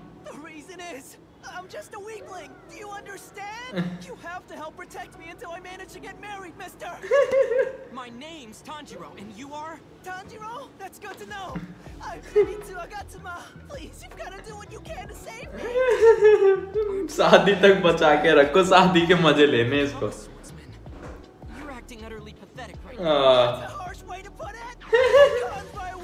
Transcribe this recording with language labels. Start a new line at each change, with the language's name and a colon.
English: The reason is, I'm just a weakling. Do you understand? You have to help protect me until I manage to get married, mister. My name's Tanjiro, and you are? Tanjiro? That's good to know. I'm ZENITSU Agatsuma. Please, you've got to do what you can to save me.
Hindi: शादी तक बचा के रखो, शादी के मजे लेने इसको।
English: You're acting utterly pathetic right now. That's a harsh way to put it.